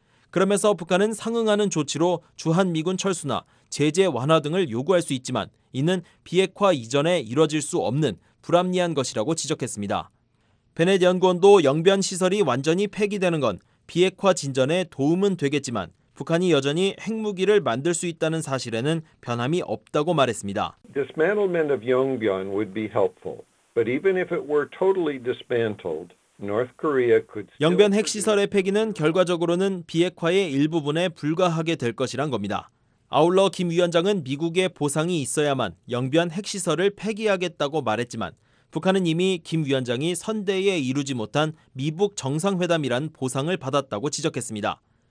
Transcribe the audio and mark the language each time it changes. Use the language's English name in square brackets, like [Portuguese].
[Korean] 그러면서 북한은 상응하는 조치로 주한미군 철수나 제재 완화 등을 요구할 수 있지만 이는 비핵화 이전에 이뤄질 수 없는 불합리한 것이라고 지적했습니다. 베넷 연구원도 영변 시설이 완전히 폐기되는 건 비핵화 진전에 도움은 되겠지만 북한이 여전히 핵무기를 만들 수 있다는 사실에는 변함이 없다고 말했습니다. [English] Dismantlement of Yongbyon would be helpful, but even if it were totally dismantled, [Korean] 영변 핵시설의 폐기는 결과적으로는 비핵화의 일부분에 불과하게 될 것이란 겁니다. 아울러 김 위원장은 미국의 보상이 있어야만 영변 핵시설을 폐기하겠다고 말했지만 북한은 이미 김 위원장이 선대에 이루지 못한 미북 정상회담이란 보상을 받았다고 지적했습니다.